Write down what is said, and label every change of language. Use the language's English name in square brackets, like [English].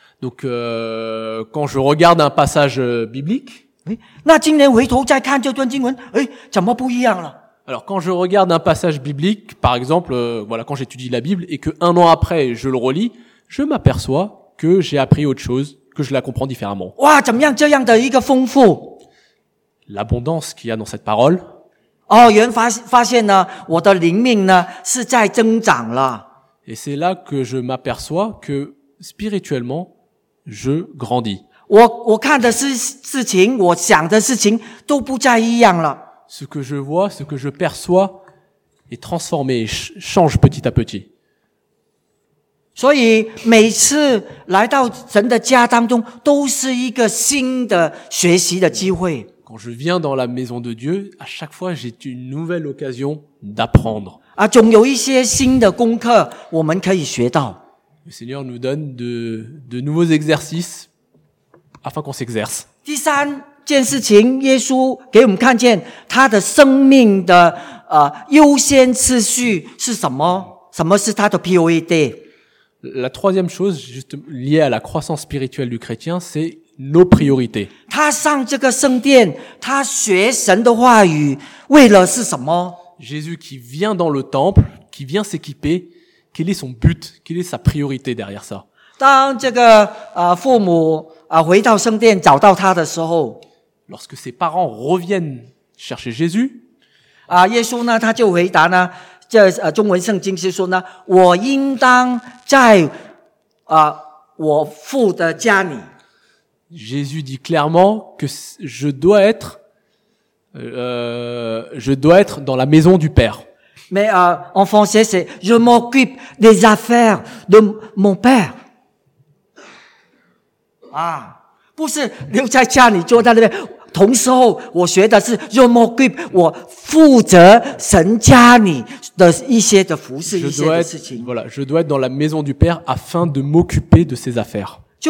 [French] Donc, quand je regarde un passage biblique. [Chinese] 那今年回头再看这段经文，哎，怎么不一样了？ [French] Alors quand je regarde un passage biblique, par exemple, voilà, quand j'étudie la Bible et que un an après je le relis, je m'aperçois que j'ai appris autre chose, que je la comprends différemment. [Chinese] 哇，怎么样这样的一个丰富？ [French] L'abondance qu'il y a dans cette parole. [Chinese] 哦，原发现呢，我的灵命呢是在增长了。 [French] Et c'est là que je m'aperçois que spirituellement je grandis. [Chinese] 我看的事情，我想的事情都不再一样了。 [French] Ce que je vois, ce que je perçois est transformé, change petit à petit. [Chinese] 所以每次来到神的家当中都是一个新的学习的机会。 [French] Quand je viens dans la maison de Dieu, à chaque fois j'ai une nouvelle occasion d'apprendre. [Chinese] 啊，总有一些新的功课我们可以学到。 [French] Le Seigneur nous donne de nouveaux exercicesAfin qu'on s'exerce. [Chinese] 第三件事情，耶稣给我们看见他的生命的优先次序是什么？什么是他的 priority？ [French] La troisième chose, juste liée à la croissance spirituelle du chrétien, c'est nos priorités. [Chinese] 他上这个圣殿，他学神的话语，为了是什么？ [French] Jésus qui vient dans le temple, qui vient s'équiper, quel est son but? Quelle est sa priorité derrière ça? [Chinese] 当这个父母回到圣殿找到他的时候 [French] ，lorsque ses parents reviennent chercher Jésus， [Chinese] 啊，耶稣呢，他就回答呢，这中文圣经是说呢，我应当在我父的家里。 [French] Jésus dit clairement que je dois être dans la maison du Père. Mais en français, c'est « je m'occupe des affaires de mon Père ». [Chinese] Ah, 不是留在家里坐在那边，同时候我学的是 [French] je m'occupe, [Chinese] 我负责神家里的一些的服侍一些的事情。 [French] Voilà, je dois être dans la maison du Père afin de m'occuper de ses affaires.